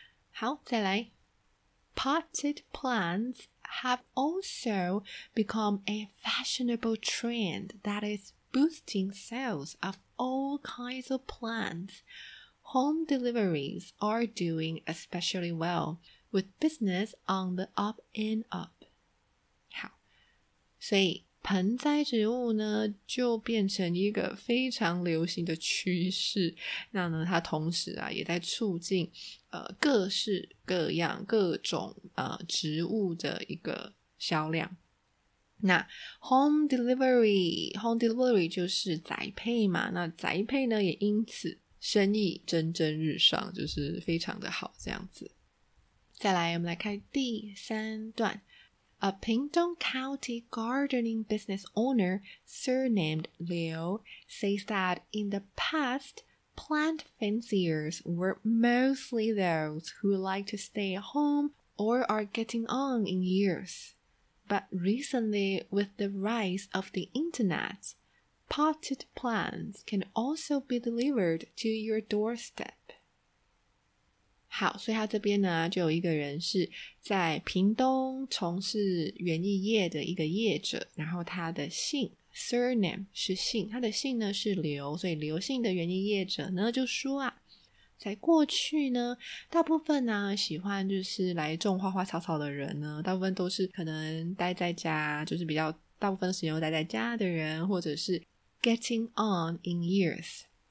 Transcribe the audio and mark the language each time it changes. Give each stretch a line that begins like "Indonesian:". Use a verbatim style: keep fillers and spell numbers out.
Chinese: 好，再来
English: Potted plants have also become a fashionable trend that is boosting sales of all kinds of plants. Home deliveries are doing especially well, with business on the up and up.
Chinese: 好，所以盆栽植物呢就变成一个非常流行的趋势，那呢它同时啊也在促进呃各式各样各种呃植物的一个销量。那
English: home delivery home delivery
Chinese: 就是宅配嘛，那宅配呢也因此生意蒸蒸日上，就是非常的好这样子。再来我们来看第三段。
English: A Pingtung County gardening business owner, surnamed Leo, says that in the past, plant fanciers were mostly those who like to stay at home or are getting on in years. But recently, with the rise of the internet, potted plants can also be delivered to your doorstep.
Chinese: 好，所以他这边呢就有一个人是在屏东从事园艺业的一个业者，然后他的姓 surname 是姓，他的姓呢是刘，所以刘姓的园艺业者呢就说啊，在过去呢大部分呢喜欢就是来种花花草草的人呢，大部分都是可能待在家，就是比较大部分时间都待在家的人，或者是
English: getting on in years